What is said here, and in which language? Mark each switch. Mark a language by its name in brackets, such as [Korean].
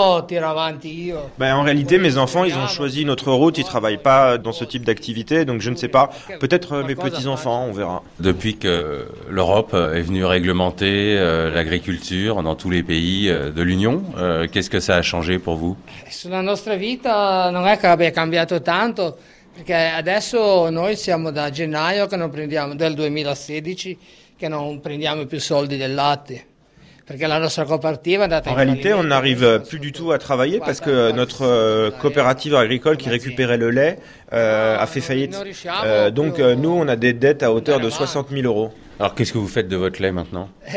[French] En réalité, mes enfants, ils ont choisi notre route, ils ne travaillent pas dans ce type d'activité, donc je ne sais pas, peut-être mes petits-enfants, on verra. Depuis que l'Europe est venue réglementer l'agriculture dans tous les pays de l'Union, qu'est-ce que ça a changé pour vous? Sur notre vie, [Italian] non è che abbia cambiato tanto. Perché adesso noi siamo da gennaio che non prendiamo, del 2016, che non prendiamo più soldi del latte. [French] En réalité, on n'arrive plus du tout à travailler parce que notre coopérative agricole qui récupérait le lait a fait faillite. Donc nous, on a des dettes à hauteur de 60 000 euros. Alors qu'est-ce que vous faites de votre lait maintenant?